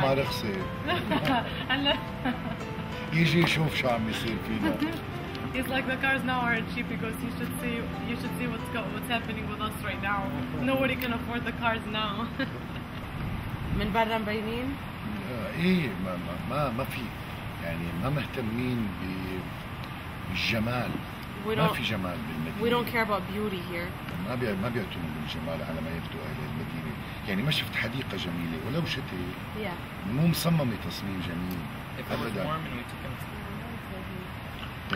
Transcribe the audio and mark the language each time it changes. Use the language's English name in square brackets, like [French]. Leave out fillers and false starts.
[Arabic] ما رخصي هلا يجي يشوف شو عم يصير فينا [English] He's like the cars now aren't cheap because you should see what's happening with us right now nobody can afford the cars now [Arabic] من برا مبينين ايه ما في يعني ما مهتمين بالجمال ما في جمال بالمدينة [English] We don't care about beauty here [Arabic] ما بيعتنوا بالجمال على ما يبدو أهل المدينة يعني ما شفت حديقة جميلة ولو شتي yeah. مو مصممة تصميم جميل [English] If it was warm and we took him to